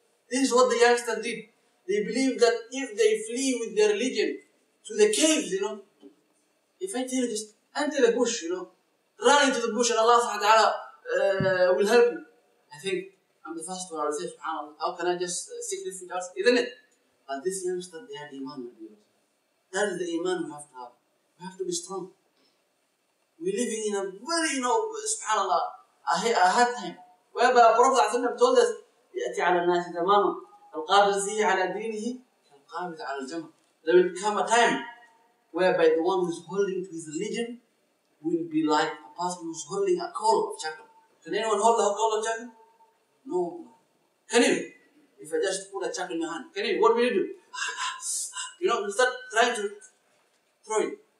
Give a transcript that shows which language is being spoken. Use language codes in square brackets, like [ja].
[en] This is what the youngsters did. They believe that if they flee with their religion to the caves, you know, if I tell you just enter the bush, you know, run into the bush and Allah subhanahu wa ta'ala will help you. I think I'm the first one to say, subhanAllah, how can I just seek this with us, isn't it? But this youngster, they had iman with you. That is the iman we have to have. We have to be strong. We're living in a very, you know, subhanAllah, a hard time. Whereby Prophet told us, [ar] يأتي على الناس تماما القابض فيه على دينه كالقابض على الجمر. [en] There will come a time whereby the one who's holding to his religion will be like a person who's holding a coal of charcoal. Can anyone hold a coal of charcoal? No. Can you? If I just put a charcoal in your hand, can you? What will you do? You know, you start trying to throw it.